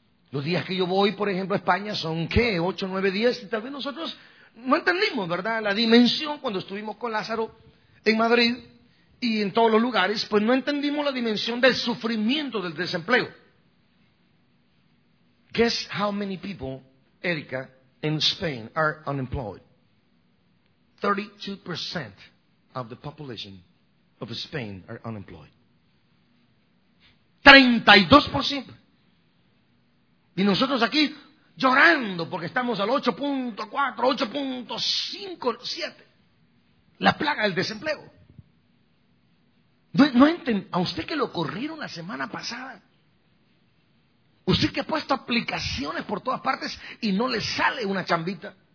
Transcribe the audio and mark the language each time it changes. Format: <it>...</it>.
<es>Los días que yo voy, por ejemplo, a España son, ¿qué? 8, 9 días. Y tal vez nosotros no entendimos, ¿verdad?, la dimensión cuando estuvimos con Lázaro en Madrid y en todos los lugares, pues no entendimos la dimensión del sufrimiento del desempleo.</es> <en>Guess how many people, Erika, in Spain are unemployed? 32% of the population of Spain are unemployed. 32%.</en> <es>Y nosotros aquí llorando porque estamos al 8.4, 8.5, 7. La plaga del desempleo. ¿A usted que lo corrieron la semana pasada? ¿Usted que ha puesto aplicaciones por todas partes y no le sale una chambita?</es>